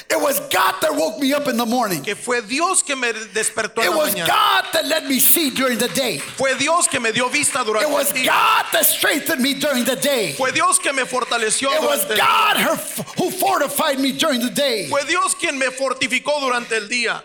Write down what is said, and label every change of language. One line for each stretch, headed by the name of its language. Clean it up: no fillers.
English: It was God that woke me up in the morning.
Spanish: Que fue Dios que me despertó en la mañana.
English: It was God that let me see during the day.
Spanish: Fue Dios que me dio vista durante el día.
English: It was God that strengthened me during the day.
Spanish: Fue Dios que me fortaleció durante el día.
English: It was God who fortified me during the day.
Spanish: Fue Dios quien me fortificó durante el día.